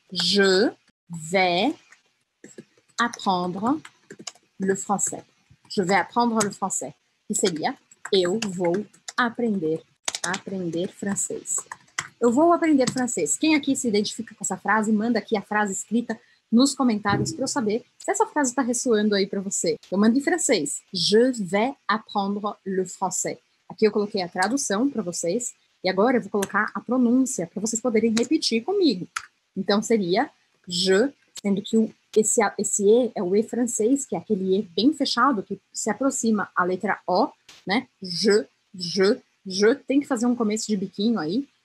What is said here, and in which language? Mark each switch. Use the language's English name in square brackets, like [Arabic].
[French] Je vais apprendre le français. Je vais apprendre le français. [Portuguese] Que seria, eu vou aprender francês. Eu vou aprender francês. Quem aqui se identifica com essa frase, manda aqui a frase escrita nos comentários para eu saber se essa frase está ressoando aí para você. Eu mando em francês. [French] Je vais apprendre le français. [Portuguese] Aqui eu coloquei a tradução para vocês. E agora eu vou colocar a pronúncia para vocês poderem repetir comigo. Então, seria je, sendo que esse E é o E francês, que é aquele E bem fechado, que se aproxima à letra O, né? Je, tem que fazer um começo de biquinho aí.